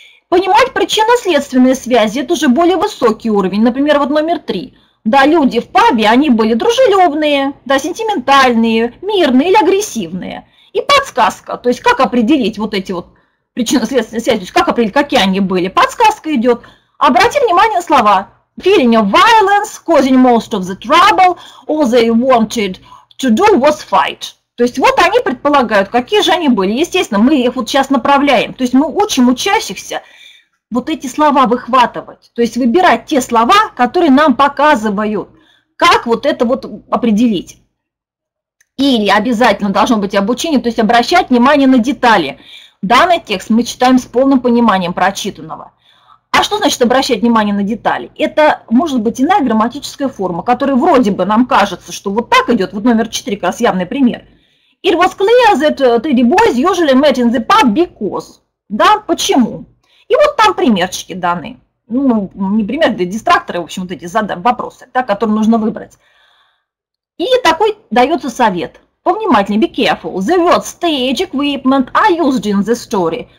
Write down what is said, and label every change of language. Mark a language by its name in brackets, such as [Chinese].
[Russian] Понимать причинно-следственные связи, это уже более высокий уровень. Например, вот номер 3. Да, люди в пабе, они были дружелюбные, да, сентиментальные, мирные или агрессивные. И подсказка, то есть, как определить вот эти вот причинно-следственные связи, то есть, как определить, какие они были. Подсказка идет. Обрати внимание на слова. [English] Feeling of violence, causing most of the trouble, all they wanted to do was fight. [Russian] То есть вот они предполагают, какие же они были. Естественно, мы их вот сейчас направляем. То есть мы учим учащихся вот эти слова выхватывать. То есть выбирать те слова, которые нам показывают, как вот это вот определить. Или обязательно должно быть обучение, то есть обращать внимание на детали. Данный текст мы читаем с полным пониманием прочитанного. А что значит обращать внимание на детали? Это может быть иная грамматическая форма, которая вроде бы нам кажется, что вот так идет, вот номер 4, как раз явный пример. [English] It was clear that three boys usually met in the pub because. [Russian] Да, почему? И вот там примерчики даны. Ну, не пример, да, дистракторы, в общем, вот эти вопросы, да, которые нужно выбрать. И такой дается совет. Повнимательнее, [English] be careful. The word stage equipment are used in the story.